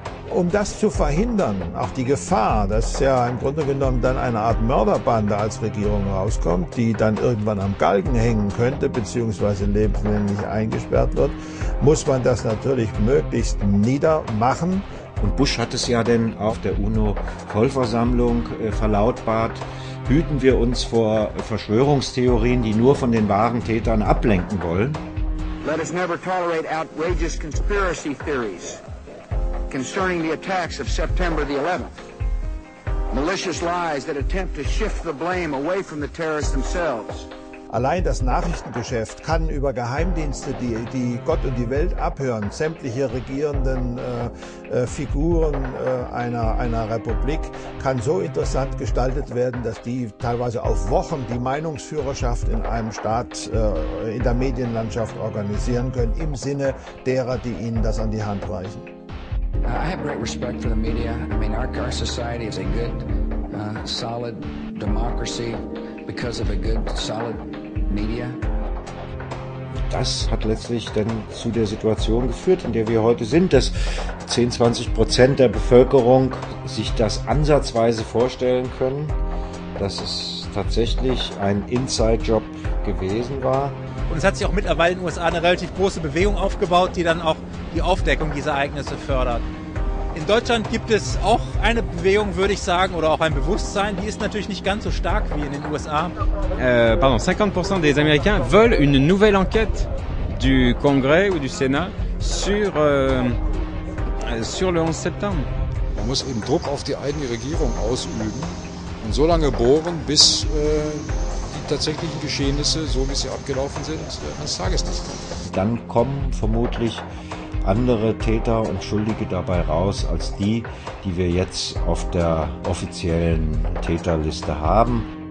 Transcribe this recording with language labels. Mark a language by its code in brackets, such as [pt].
[de] Um das zu verhindern, auch die Gefahr, dass ja im Grunde genommen dann eine Art Mörderbande als Regierung rauskommt, die dann irgendwann am Galgen hängen könnte, beziehungsweise lebenslänglich eingesperrt wird, muss man das natürlich möglichst niedermachen. Und Bush hat es ja denn auf der UNO-Vollversammlung verlautbart, hüten wir uns vor Verschwörungstheorien, die nur von den wahren Tätern ablenken wollen. [en] Let us never tolerate outrageous conspiracy theories concerning the attacks of September the 11th. Malicious lies that attempt to shift the blame away from the terrorists themselves. [de] Allein das Nachrichtengeschäft kann über Geheimdienste, die Gott und die Welt abhören, sämtliche regierenden Figuren einer Republik, kann so interessant gestaltet werden, dass die teilweise auf Wochen die Meinungsführerschaft in einem Staat in der Medienlandschaft organisieren können, im Sinne derer, die ihnen das an die Hand reichen. [en] I have great respect for the media. I mean, our society is a good, solid democracy. Because of a good, solid media. [de] Das hat letztlich dann zu der Situation geführt, in der wir heute sind, dass 10-20% der Bevölkerung sich das ansatzweise vorstellen können, dass es tatsächlich ein Inside-Job gewesen war. Und es hat sich auch mittlerweile in den USA eine relativ große Bewegung aufgebaut, die dann auch die Aufdeckung dieser Ereignisse fördert. In Deutschland gibt es auch eine Bewegung, würde ich sagen, oder auch ein Bewusstsein, die ist natürlich nicht ganz so stark wie in den USA. [fr] 50% des Américains veulent une nouvelle enquête du Congrès ou du Sénat sur sur le 11 septembre. [de] Man muss eben Druck auf die eigene Regierung ausüben und so lange bohren, bis die tatsächlichen Geschehnisse, so wie sie abgelaufen sind, ans Tageslicht kommen. Dann kommen vermutlich andere Täter und Schuldige dabei raus als die, die wir jetzt auf der offiziellen Täterliste haben.